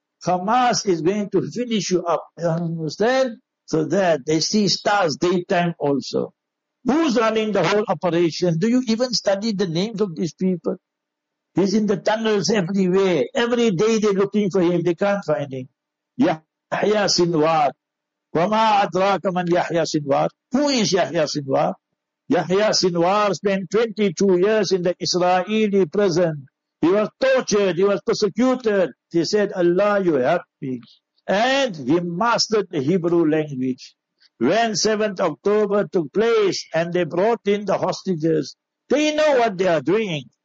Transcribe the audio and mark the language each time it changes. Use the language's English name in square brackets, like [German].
[English] Hamas is going to finish you up. You understand? So that they see stars daytime also. Who's running the whole operation? Do you even study the names of these people? He's in the tunnels everywhere. Every day they're looking for him. They can't find him. Yahya Sinwar. [Arabic] وَمَا أَدْرَاكَ مَنْ يَحْيَى سِنْوَارِ [English] Who is Yahya Sinwar? Yahya Sinwar spent 22 years in the Israeli prison. He was tortured. He was persecuted. He said, Allah, you help me. And he mastered the Hebrew language. When 7th October took place and they brought in the hostages, they know what they are doing.